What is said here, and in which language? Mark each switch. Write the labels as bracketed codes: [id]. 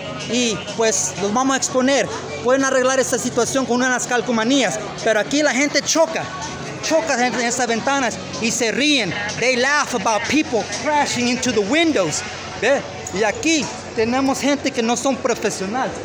[es] Y pues los vamos a exponer. Pueden arreglar esta situación con unas calcomanías, pero aquí la gente choca en esas ventanas y se ríen. [en] They laugh about people crashing into the windows. [es] Ve, y aquí tenemos gente que no son profesionales.